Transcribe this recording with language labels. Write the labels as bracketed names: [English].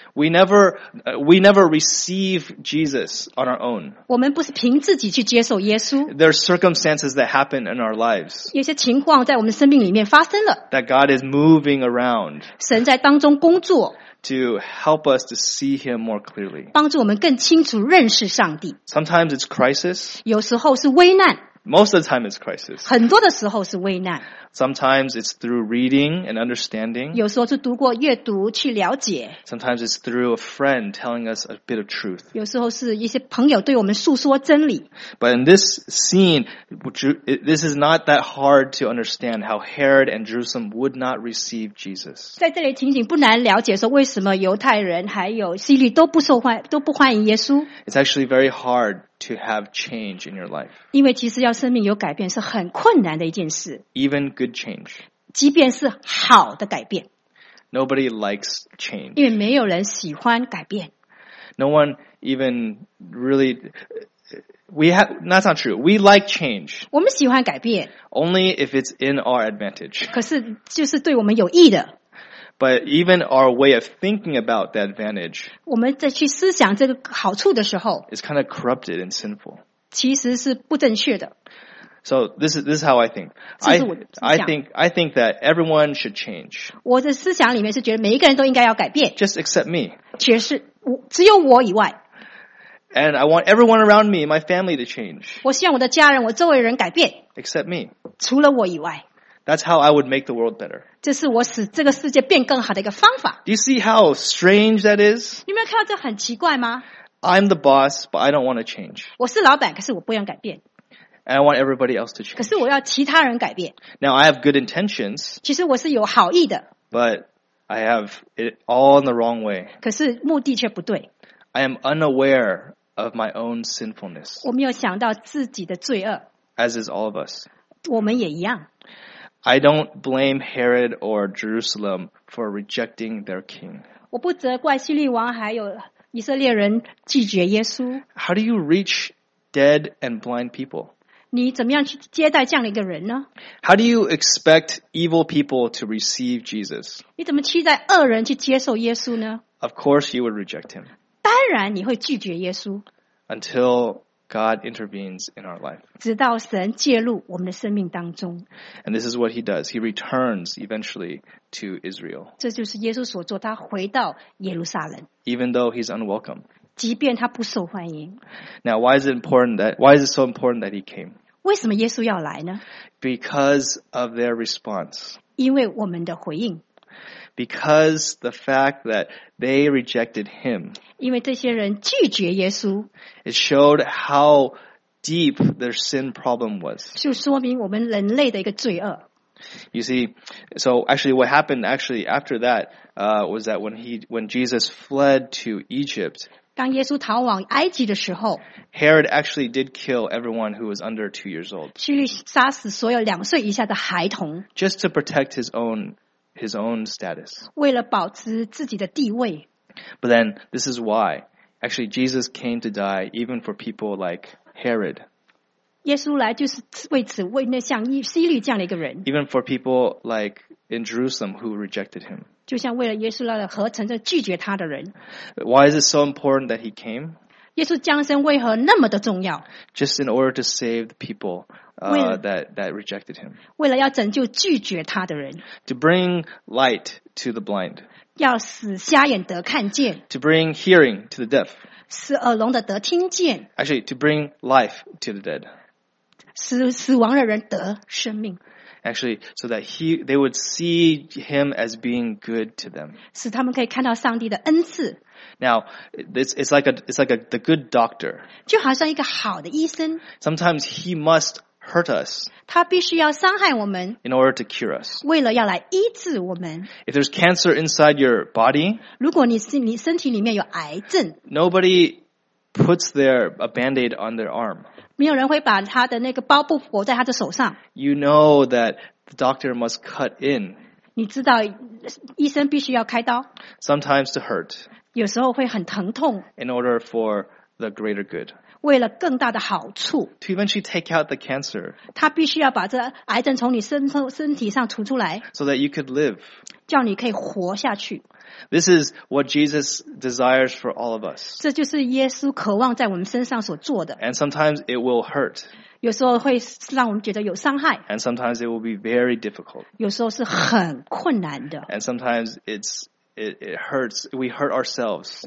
[English] We never receive Jesus on our own. [Chinese] 我们不是凭自己去接受耶稣。 [English] There are circumstances that happen in our lives. [Chinese] 有些情况在我们生命里面发生了。 [English] That God is moving around. [Chinese] 神在当中工作。 [English] To help us to see him more clearly. [Chinese] 帮助我们更清楚认识上帝。 [English] Sometimes it's crisis. [Chinese] 有时候是危难。 [English] Most of the time it's crisis. [Chinese] 很多的时候是危难。 [English] Sometimes it's through reading and understanding. [Chinese] 有时候是读过阅读去了解。 [English] Sometimes it's through a friend telling us a bit of truth. [Chinese] 有时候是一些朋友对我们诉说真理。 [English] But in this scene, this is not that hard to understand how Herod and Jerusalem would not receive Jesus. [Chinese] 在这里情景不难了解说为什么犹太人还有希律都不欢迎耶稣。 [English] It's actually very hard to have change in your life. [Chinese] 因为其实要生命有改变是很困难的一件事。 [English] Even good change. [Chinese] 即便是好的改变。 [English] Nobody likes change. [Chinese] 因为没有人喜欢改变。 [English] No one even really... That's not true. We like change. [Chinese] 我们喜欢改变。 [English] Only if it's in our advantage. [Chinese] 可是就是对我们有益的。 [English] But even our way of thinking about the advantage [Chinese] 我们在去思想这个好处的时候 [English] is kind of corrupted and sinful. [Chinese] 其实是不正确的。 [English] So this is how I think. I think that everyone should change. [Chinese] 我的思想里面是觉得每一个人都应该要改变。 [English] Just except me. [Chinese] 其实只有我以外。 [English] And I want everyone around me, my family to change. [Chinese] 我希望我的家人，我周围人改变。 [English] Except me. [Chinese] 除了我以外。 [English] That's how I would make the world better. [Chinese] 这是我使这个世界变更好的一个方法。 [English] Do you see how strange that is? [Chinese] 你没有看到这很奇怪吗? [English] I'm the boss, but I don't want to change. [Chinese] 我是老板，可是我不愿改变。 [English] And I want everybody else to change. [Chinese] 可是我要其他人改变。 [English] Now I have good intentions. [Chinese] 其实我是有好意的。 [English] But I have it all in the wrong way. [Chinese] 可是目的却不对。 [English] I am unaware of my own sinfulness. [Chinese] 我没有想到自己的罪恶。 [English] As is all of us. [Chinese] 我们也一样。 [English] I don't blame Herod or Jerusalem for rejecting their king. [Chinese] 我不责怪希律王还有以色列人拒绝耶稣。 [English] How do you reach dead and blind people? [Chinese] 你怎么样去接待这样的一个人呢？ [English] How do you expect evil people to receive Jesus? [Chinese] 你怎么期待恶人去接受耶稣呢？ [English] Of course you would reject him. [Chinese] 当然你会拒绝耶稣。 [English] Until God intervenes in our life. [Chinese] 直到神介入我们的生命当中。 [English] And this is what he does. He returns eventually to Israel. [Chinese] 这就是耶稣所做，他回到耶路撒冷。 [English] Even though he's unwelcome. [Chinese] 即便他不受欢迎。 [English] Now, why is it important that, why is it so important that he came? [Chinese] 为什么耶稣要来呢？ [English] Because of their response. [Chinese] 因为我们的回应。 [English] Because the fact that they rejected him, [Chinese] 因为这些人拒绝耶稣, [English] it showed how deep their sin problem was. [Chinese] 就说明我们人类的一个罪恶。 [English] You see, so actually what happened actually after that, was that when Jesus fled to Egypt, [Chinese] 当耶稣逃往埃及的时候, [English] Herod actually did kill everyone who was under 2 years old. [Chinese] 希律杀死所有两岁以下的孩童, [English] just to protect his own status. [Chinese] 为了保持自己的地位。 [English] But then, this is why. Actually, Jesus came to die even for people like Herod. [Chinese] 耶稣来就是为此，为那像希律这样的一个人。 [English] Even for people like in Jerusalem who rejected him. [Chinese] 就像为了耶稣来的和城镇拒绝他的人。 [English] Why is it so important that he came? [Chinese] 耶稣降生为何那么的重要？ [English] Just in order to save the people. That rejected him. [Chinese] 为了要拯救拒绝他的人。 [English] To bring light to the blind. [Chinese] 要使瞎眼得看见。 [English] To bring hearing to the deaf. [Chinese] 使耳聋的得听见。 [English] Actually, to bring life to the dead. [Chinese] 使死亡的人得生命。 [English] Actually, so that they would see him as being good to them. [Chinese] 使他们可以看到上帝的恩赐。 [English] Now, it's like the good doctor. [Chinese] 就好像一个好的医生。 [English] Sometimes he must hurt us. [Chinese] 他必须要伤害我们。 [English] In order to cure us. [Chinese] 为了要来医治我们。 [English] If there's cancer inside your body. [Chinese] 如果你身体里面有癌症。 [English] Nobody puts a band-aid on their arm. [Chinese] 没有人会把他的那个包布裹在他的手上。 [English] You know that the doctor must cut in. [Chinese] 你知道医生必须要开刀。 [English] Sometimes to hurt. [Chinese] 有时候会很疼痛。 [English] In order for the greater good. [Chinese] 为了更大的好处 [English] to eventually take out the cancer, [Chinese] 他必须要把这癌症从你身体上除出来 [English] so that you could live, [Chinese] 叫你可以活下去 [English] This is what Jesus desires for all of us, [Chinese] 这就是耶稣渴望在我们身上所做的 [English] and sometimes it will hurt, [Chinese] 有时候会让我们觉得有伤害 [English] and sometimes it will be very difficult, [Chinese] 有时候是很困难的 [English] and sometimes it hurts, we hurt ourselves,